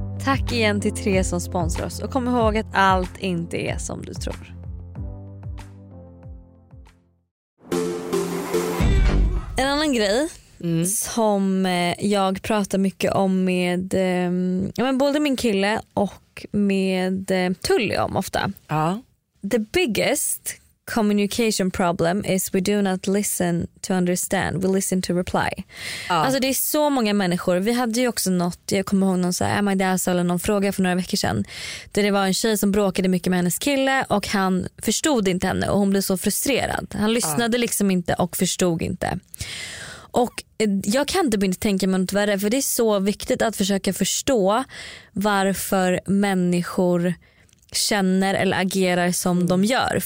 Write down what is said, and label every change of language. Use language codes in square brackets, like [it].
[sv] Tack igen till Tre som sponsrar oss, och kom ihåg att allt inte är som du tror. En annan grej som jag pratar mycket om med både min kille och med Tully om ofta. Ja. [en] The biggest communication problem is we do not listen to understand, we listen to reply. [sv] Ja. Alltså det är så många människor, vi hade ju också något, jag kommer ihåg någon så här, my dad, eller någon fråga för några veckor sedan, där det var en tjej som bråkade mycket med hennes kille och han förstod inte henne och hon blev så frustrerad. Han lyssnade liksom inte och förstod inte. Och jag kan inte börja tänka mig något värre, för det är så viktigt att försöka förstå varför människor känner eller agerar som de gör.